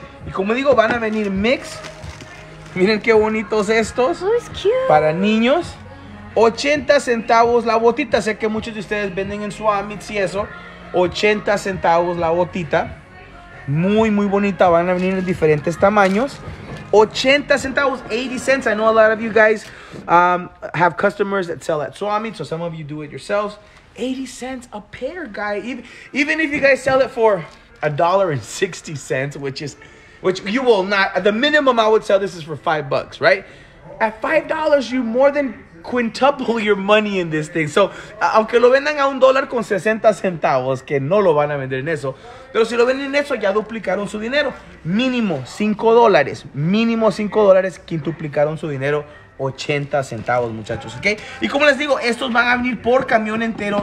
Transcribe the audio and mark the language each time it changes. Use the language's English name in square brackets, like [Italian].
[Spanish] Y como digo, van a venir mix. Miren qué bonitos estos. [English] Oh, it's cute. [Spanish] Para niños. 80 centavos la botita. Sé que muchos de ustedes venden en Swamits y eso. 80 centavos la botita. Muy, muy bonita. Van a venir en diferentes tamaños. 80 centavos, [English] 80 cents. I know a lot of you guys have customers that sell at swamis, so some of you do it yourselves. 80 cents a pair, guy. Even if you guys sell it for $1.60, which you will not. The minimum I would sell this is for $5, right? At $5, you more than quintuple your money in this thing. [Spanish] So, aunque lo vendan a $1.60, que no lo van a vender en eso, pero si lo venden en eso, ya duplicaron su dinero. Mínimo $5, quintuplicaron su dinero. 80 centavos, muchachos, ¿ok? Y como les digo, estos van a venir por camión entero.